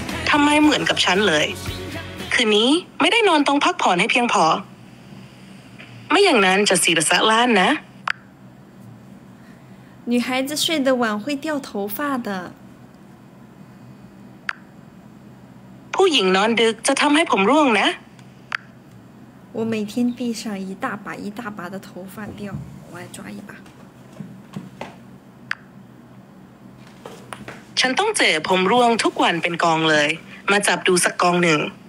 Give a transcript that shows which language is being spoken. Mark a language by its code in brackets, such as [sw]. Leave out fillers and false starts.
[th] ทำไมเหมือนกับฉันเลยคืนนี้ไม่ได้นอนต้องพักผ่อนให้เพียงพอไม่อย่างนั้นจะศีรษะล้านนะ [zh] 女孩子睡得晚会掉头发的 [th] ผู้หญิงนอนดึกจะทำให้ผมร่วงนะ [zh] 我每天闭上一大把一大把的头发掉我来抓一把 [th] ฉันต้องเจอผมร่วงทุกวันเป็นกองเลยมาจับดูสักกองหนึ่ง